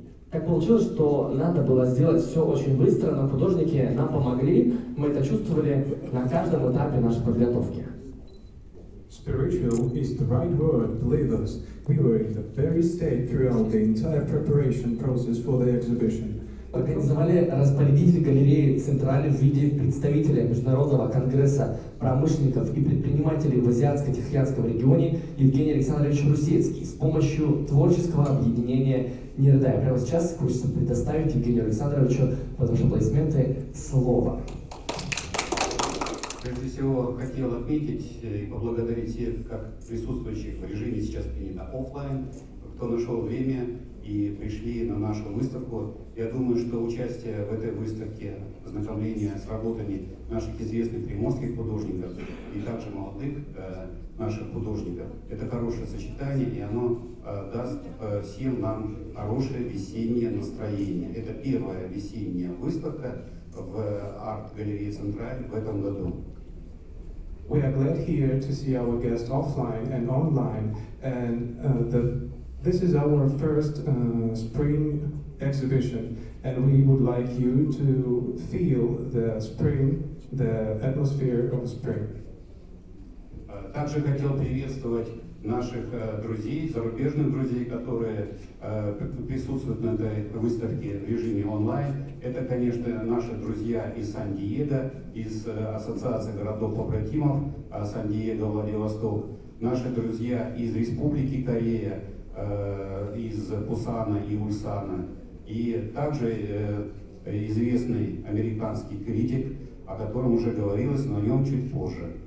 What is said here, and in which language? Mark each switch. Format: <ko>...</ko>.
<ru>Так получилось, что надо было сделать все очень быстро, но художники нам помогли. Мы это чувствовали на каждом этапе нашей подготовки.</ru> <en>Spiritual is the right word, believe us. We were in the very state throughout the entire preparation process for the exhibition.</en> <ru>Организовали распорядитель галереи «Централь» в виде представителя Международного конгресса промышленников и предпринимателей в Азиатско-Тихоокеанском регионе Евгений Александрович Русецкий с помощью творческого объединения «Не рыдай». Прямо сейчас хочется предоставить Евгению Александровичу под ваши аплодисменты слово. Прежде всего, хотел отметить и поблагодарить всех, как присутствующих в режиме сейчас принято офлайн, кто нашел время и пришли на нашу выставку. Я думаю, что участие в этой выставке, ознакомление с работами наших известных приморских художников и также молодых наших художников, это хорошее сочетание, и оно даст всем нам хорошее весеннее настроение. Это первая весенняя выставка в арт-галерее «Централь» в этом году.</ru> <en>We are glad here to see our guests offline and online, and this is our first spring exhibition, and we would like you to feel the spring, the atmosphere of spring.</en> <ru>Также хотел приветствовать наших друзей, зарубежных друзей, которые присутствуют на этой выставке в режиме онлайн. Это, конечно, наши друзья из Сан-Диего, из Ассоциации городов-побратимов Сан-Диего-Владивосток, наши друзья из Республики Корея, из Пусана и Ульсана, и также известный американский критик, о котором уже говорилось, но о нем чуть позже.</ru>